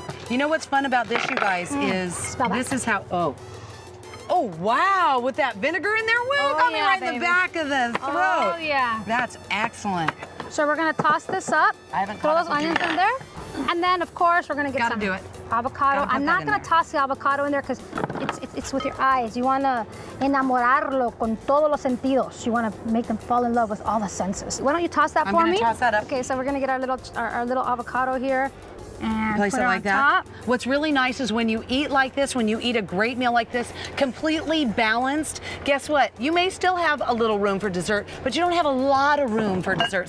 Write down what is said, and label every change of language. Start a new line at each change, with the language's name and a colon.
English: You know what's fun about this, you guys, is this is how, oh wow, with that vinegar in there, whoa, got me right in the back of the throat. Oh yeah. That's excellent. So we're gonna toss this up, throw those onions in there, and then of course we're gonna get avocado. I'm not gonna toss the avocado in there because it's with your eyes. You wanna
Spanish: enamorarlo con todos los sentidos.
English: You wanna make them fall in love with all the senses. Why don't you toss that for me? I'm gonna toss that up. Okay, so we're gonna get our little avocado here. And place put it like on that. Top. What's really nice is when you eat like this, when you eat a great meal like this, completely balanced, guess what? You may still have a little room for dessert, but you don't have a lot of room for dessert.